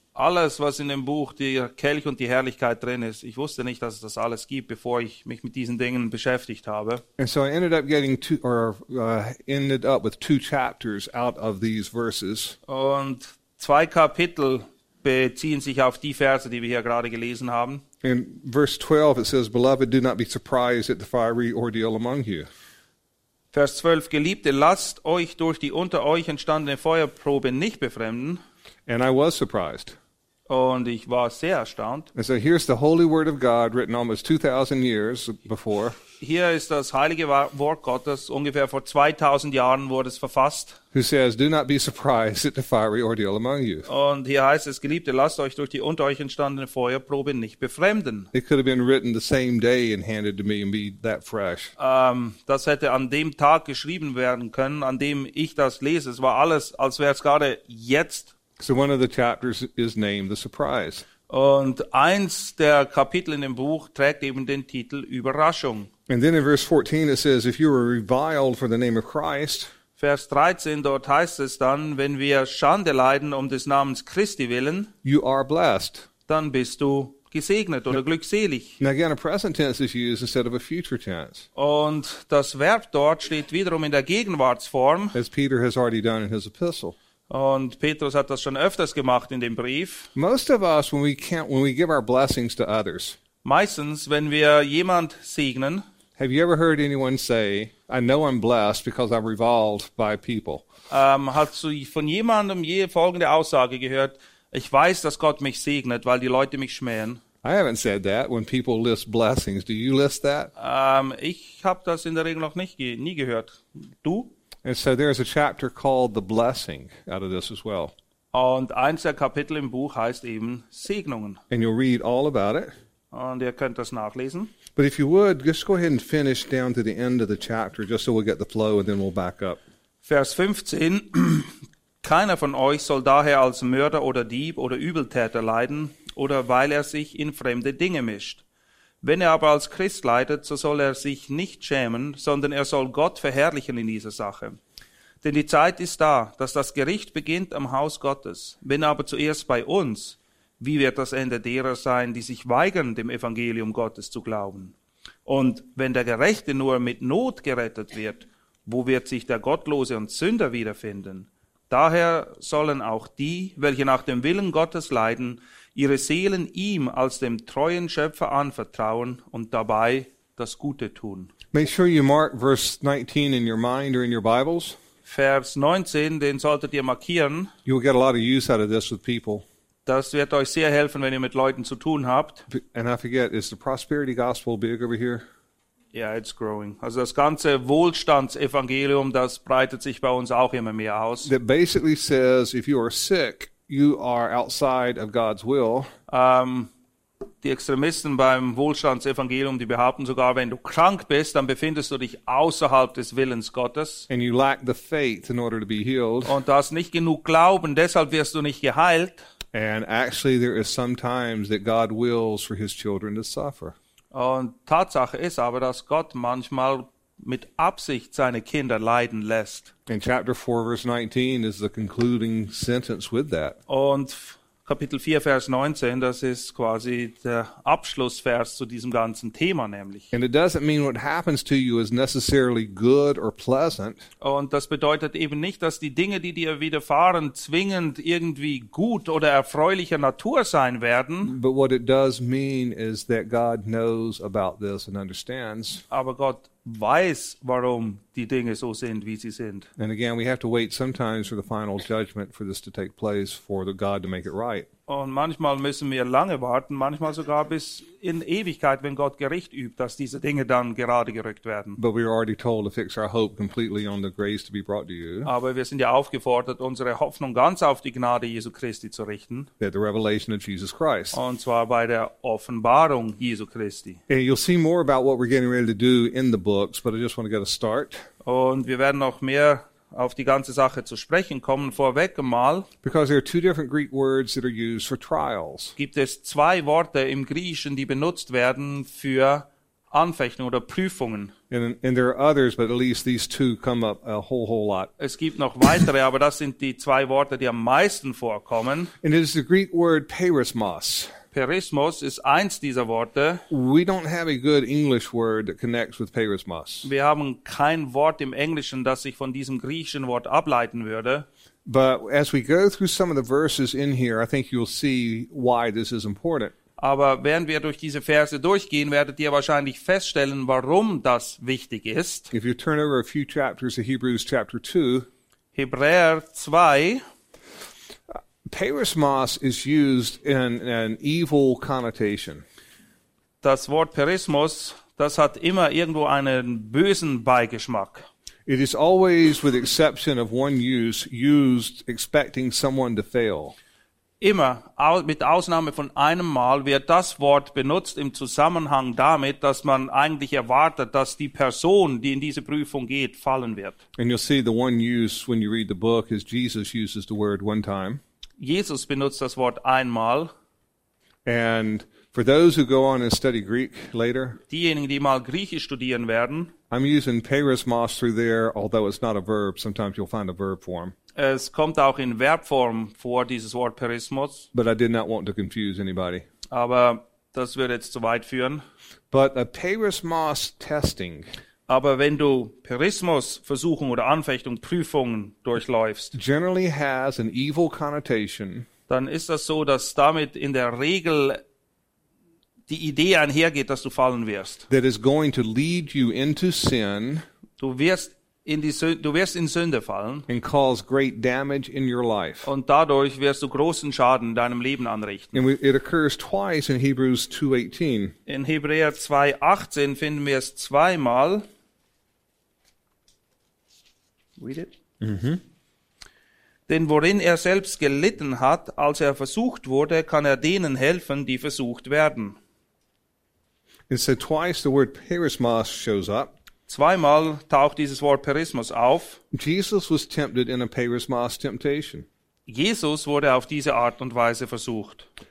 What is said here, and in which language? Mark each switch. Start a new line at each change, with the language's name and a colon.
German: Alles, was in dem Buch, die Kelch und die Herrlichkeit drin ist, ich wusste nicht, dass es das alles gibt, bevor ich mich mit diesen Dingen beschäftigt habe.
English: And so I ended up getting ended up with two chapters out of these verses.
German: Und zwei Kapitel beziehen sich auf die Verse, die wir hier gerade gelesen haben.
English: In verse 12 it says, Beloved, do not be surprised at the fiery ordeal among you.
German: Vers 12, Geliebte, lasst euch durch die unter euch entstandene Feuerprobe nicht befremden.
English: And I was surprised.
German: Und ich war sehr erstaunt.
English: And so here's the holy word of God written almost 2000 years before.
German: Hier ist das heilige Wort Gottes, ungefähr vor 2000 Jahren wurde es verfasst.
English: Who says, do not be surprised at the fiery ordeal among you.
German: Und hier heißt es, Geliebte, lasst euch durch die unter euch entstandene Feuerprobe nicht befremden.
English: It could have been written the same day and handed to me and be that fresh.
German: Das hätte an dem Tag geschrieben werden können, an dem ich das lese. Es war alles, als wäre es gerade jetzt.
English: So one of the chapters is named The Surprise.
German: Und eins der Kapitel in dem Buch trägt eben den Titel Überraschung.
English: And then in verse 14 it says, if you were reviled for the name of Christ.
German: Vers 13, dort heißt es dann, wenn wir Schande leiden um des Namens Christi willen,
English: you are blessed.
German: Dann bist du gesegnet oder glückselig.
English: Now again, a present tense is used instead of a future tense.
German: Und das Verb dort steht wiederum in der Gegenwartsform.
English: As Peter has already done in his epistle.
German: Und Petrus hat das schon öfters gemacht in dem Brief.
English: Most of us, when we give our blessings to others.
German: Meistens, wenn wir jemand segnen.
English: Have you ever heard anyone say, I know I'm blessed because I'm reviled by people?
German: Hast du von jemandem je folgende Aussage gehört? Ich weiß, dass Gott mich segnet, weil die Leute mich schmähen.
English: I haven't said that when people list blessings. Do you list that?
German: Ich habe das in der Regel noch nie gehört. Du?
English: And so there is a chapter called The Blessing out of this as well.
German: Und eins der Kapitel im Buch heißt eben Segnungen.
English: And you'll read all about it.
German: Und ihr könnt das nachlesen.
English: But if you would, just go ahead and finish down to the end of the chapter, just so we'll get the flow and then we'll back up.
German: Vers 15. Keiner von euch soll daher als Mörder oder Dieb oder Übeltäter leiden oder weil er sich in fremde Dinge mischt. Wenn er aber als Christ leidet, so soll er sich nicht schämen, sondern er soll Gott verherrlichen in dieser Sache. Denn die Zeit ist da, dass das Gericht beginnt am Haus Gottes. Wenn aber zuerst bei uns, wie wird das Ende derer sein, die sich weigern, dem Evangelium Gottes zu glauben? Und wenn der Gerechte nur mit Not gerettet wird, wo wird sich der Gottlose und Sünder wiederfinden? Daher sollen auch die, welche nach dem Willen Gottes leiden, ihre Seelen ihm als dem treuen Schöpfer anvertrauen und dabei das Gute tun.
English: Make sure you mark verse 19 in your mind or in your Bibles.
German: Vers 19, den solltet ihr markieren.
English: You will get a lot of use out of this with people.
German: Das wird euch sehr helfen, wenn ihr mit Leuten zu tun habt.
English: And I forget, is the prosperity gospel big over here? Yeah, it's growing.
German: Also das ganze Wohlstandsevangelium, das breitet sich bei uns auch immer mehr aus.
English: That basically says, if you are sick, you are outside of God's will.
German: Die Extremisten beim Wohlstandsevangelium, die behaupten sogar, wenn du krank bist, dann befindest du dich außerhalb des Willens Gottes.
English: And you lack the faith in order to be healed.
German: Und du hast nicht genug Glauben, deshalb wirst du nicht geheilt.
English: And actually there is sometimes that God wills for his children to suffer.
German: Und Tatsache ist aber, dass Gott manchmal mit Absicht seine Kinder leiden lässt.
English: In chapter 4 verse 19 is the concluding sentence with that.
German: Und Kapitel 4 Vers 19, das ist quasi der Abschlussvers zu diesem ganzen Thema nämlich.
English: And it doesn't mean what happens to you is necessarily good or pleasant.
German: Und das bedeutet eben nicht, dass die Dinge, die dir widerfahren, zwingend irgendwie gut oder erfreulicher Natur sein werden.
English: But what it does mean is that God knows about this and understands.
German: Aber Gott weiß, warum die Dinge so sind, wie sie sind.
English: And again, we have to wait sometimes for the final judgment for this to take place, for the God to make it right.
German: Und manchmal müssen wir lange warten, manchmal sogar bis in Ewigkeit, wenn Gott Gericht übt, dass diese Dinge dann gerade gerückt werden.
English: But we are already told to fix our hope completely on the grace to be brought to you.
German: Aber wir sind ja aufgefordert, unsere Hoffnung ganz auf die Gnade Jesu Christi zu richten.
English: The revelation of Jesus Christ.
German: Und zwar bei der Offenbarung Jesu Christi.
English: And you'll see more about what we're getting ready to do in the books, but I just want to get a start.
German: Und wir werden noch mehr auf die ganze Sache zu sprechen kommen, vorweg mal.
English: Because there are two different Greek words that are used for trials.
German: Gibt es zwei Worte im Griechischen, die benutzt werden für Anfechtungen oder Prüfungen.
English: And there are others, but at least these two come up a whole lot.
German: Es gibt noch weitere, aber das sind die zwei Worte, die am meisten vorkommen.
English: And it is the Greek word perismos.
German: Perismos ist eins dieser Worte.
English: We don't have a good English word that connects with perismos.
German: Wir haben kein Wort im Englischen, das sich von diesem griechischen Wort ableiten würde.
English: But as we go through some of the verses in here, I think you'll see why this is important.
German: Aber während wir durch diese Verse durchgehen, werdet ihr wahrscheinlich feststellen, warum das wichtig ist.
English: If you turn over a few chapters to Hebrews chapter 2,
German: Hebräer 2,
English: Perismos is used in an evil connotation.
German: Das Wort Perismos, das hat immer irgendwo einen bösen Beigeschmack.
English: It is always, with exception of one use, used expecting someone to fail.
German: Immer, mit Ausnahme von einem Mal, wird das Wort benutzt im Zusammenhang damit, dass man eigentlich erwartet, dass die Person, die in diese Prüfung geht, fallen wird.
English: And you'll see the one use when you read the book is Jesus uses the word one time.
German: Jesus benutzt das Wort einmal.
English: And for those who go on and study Greek later,
German: diejenigen, die mal Griechisch studieren werden,
English: I'm using perismos through there, although it's not a verb. Sometimes you'll find a verb form.
German: Es kommt auch in Verbform vor, dieses Wort Perismus.
English: But I did not want to confuse anybody.
German: Aber das würde jetzt zu weit führen.
English: But a Perismos testing.
German: Aber wenn du Perismus-Versuchung oder Anfechtung, Prüfungen durchläufst,
English: generally has an evil connotation.
German: Dann ist das so, dass damit in der Regel die Idee einhergeht, dass du fallen wirst.
English: That is going to lead you into sin.
German: Du wirst in Sünde fallen.
English: And cause great damage in your life.
German: Und dadurch wirst du großen Schaden in deinem Leben anrichten.
English: And it occurs twice in Hebrews 2:18.
German: In Hebräer 2:18 finden wir es zweimal.
English: Read it. Mm-hmm.
German: Denn worin er selbst gelitten hat, als er versucht wurde, kann er denen helfen, die versucht werden.
English: It said twice the word perismos shows up.
German: Zweimal taucht dieses Wort Perismus auf.
English: Jesus was tempted in a perismos temptation.
German: Jesus wurde auf diese Art und Weise versucht.